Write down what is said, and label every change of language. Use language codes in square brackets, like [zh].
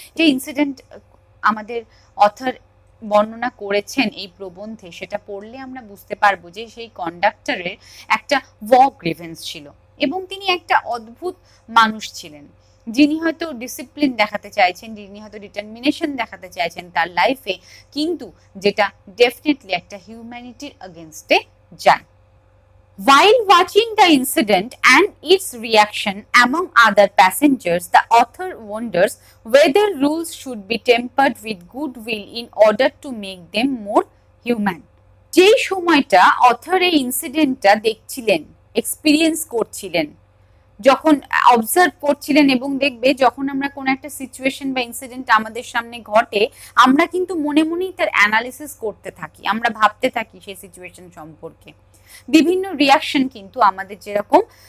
[bn] যে ইনসিডেন্ট আমাদের অথর বর্ণনা করেছেন এই প্রবন্ধে, সেটা পড়লে আমরা বুঝতে পারবো যে সেই কন্ডাক্টরের একটা ওয়ার গ্রিভেন্স ছিল এবং তিনি একটা অদ্ভুত মানুষ ছিলেন, যিনি হয়তো ডিসিপ্লিন দেখাতে চাইছেন, যিনি হয়তো ডিটারমিনেশন দেখাতে চাইছেন তার লাইফে, কিন্তু যেটা ডেফিনেটলি একটা হিউম্যানিটির অগেনস্টে যায়। [en] While watching the incident and its reaction among other passengers, the author wonders whether rules should be tempered with goodwill in order to make them more human. [bn] যেই সময়টা অথর এই ইনসিডেন্টটা দেখছিলেন, এক্সপিরিয়েন্স করছিলেন, যখন অবজার্ভ করছিলেন, এবং দেখবে যখন আমরা কোনো একটা সিচুয়েশন বা ইনসিডেন্ট আমাদের সামনে ঘটে, আমরা কিন্তু মনে মনেই তার অ্যানালিসিস করতে থাকি, আমরা ভাবতে থাকি সেই সিচুয়েশন সম্পর্কে, বিভিন্ন রিয়াকশন কিন্তু আমাদের, যেরকম